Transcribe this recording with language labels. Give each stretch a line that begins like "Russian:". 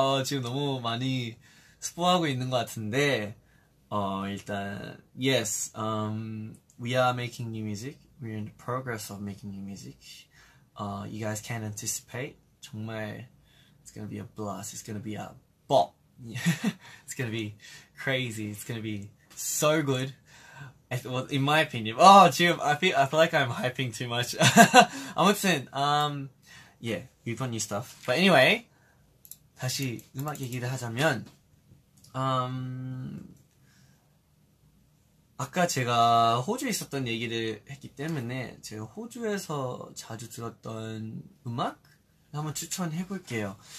Korean: 지금 너무 많이 스포하고 있는 것 같은데. 일단
English: yes. We are making new music. We're in the progress of making new music. You guys can anticipate.
Korean: 정말
English: it's gonna be a blast. It's gonna be a bop. It's gonna be crazy. It's gonna be so good. Well, in my opinion. Oh,
Korean: 지금
English: I feel like I'm hyping too much.
Korean: 아무튼
English: yeah, we've got new stuff. But anyway,
Korean: 다시 음악 얘기를 하자면, 아까 제가 호주에 있었던 얘기를 했기 때문에 제가 호주에서 자주 들었던 음악 한번 추천해 볼게요.